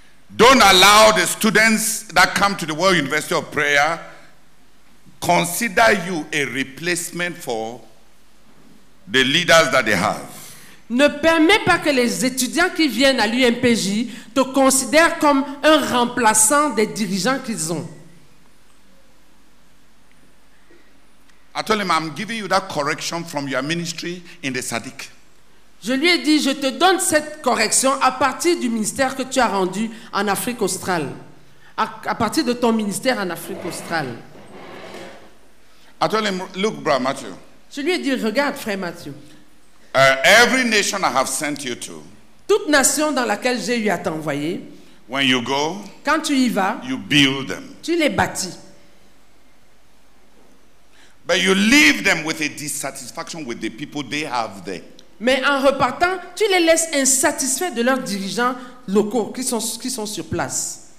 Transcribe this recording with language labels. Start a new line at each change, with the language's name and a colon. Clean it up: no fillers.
English: Don't allow the students that come to the World University of Prayer consider you a replacement for the leaders that they have.
French: Ne permets pas que les étudiants qui viennent à l'UMPJ te considèrent comme un remplaçant des dirigeants qu'ils ont.
English: I told him I'm giving you that correction from your ministry in the Sadiq.
French: Je lui ai dit, je te donne cette correction à partir du ministère que tu as rendu en Afrique australe. À partir de ton ministère en Afrique australe.
English: I told him, look, brother Matthew.
French: Je lui ai dit, regarde, frère Matthew.
English: Every nation I have sent you to,
French: toute nation dans laquelle j'ai eu à t'envoyer,
English: when you go,
French: quand tu y vas,
English: you build them.
French: Tu les bâtis.
English: But you leave them with a dissatisfaction with the people they have there.
French: Mais en repartant, tu les laisses insatisfaits de leurs dirigeants locaux qui sont sur place.